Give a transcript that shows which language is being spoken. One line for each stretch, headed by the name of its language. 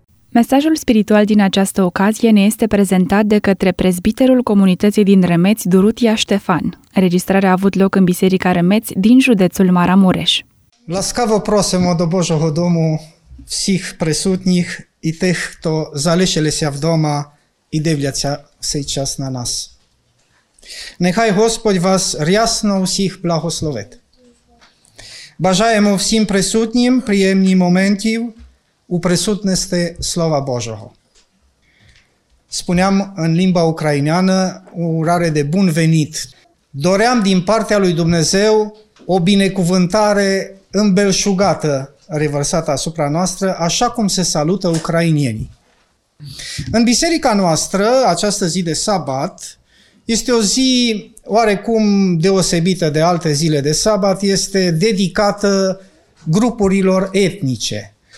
Romanian: Mesajul spiritual din această ocazie ne este prezentat de către prezbiterul comunității din Remeți, Durutia Ștefan. Înregistrarea a avut loc în Biserica Remeți din județul Maramureș.
Ukrainian: Ласкаво просимо до Божого дому всіх присутніх і тих, хто залишилися вдома і дивляться цей час на нас. Нехай Господь вас рясно усіх благословить. Бажаємо всім присутнім приємні моментів у присутності Слова Божого.
Romanian: Спунем în limba ucraineană urare de bun venit. Doream din partea lui Dumnezeu o binecuvântare îmbelșugată, revărsată asupra noastră, așa cum se salută ucrainienii. În biserica noastră, această zi de sabat, este o zi oarecum deosebită de alte zile de sabat, este dedicată grupurilor etnice.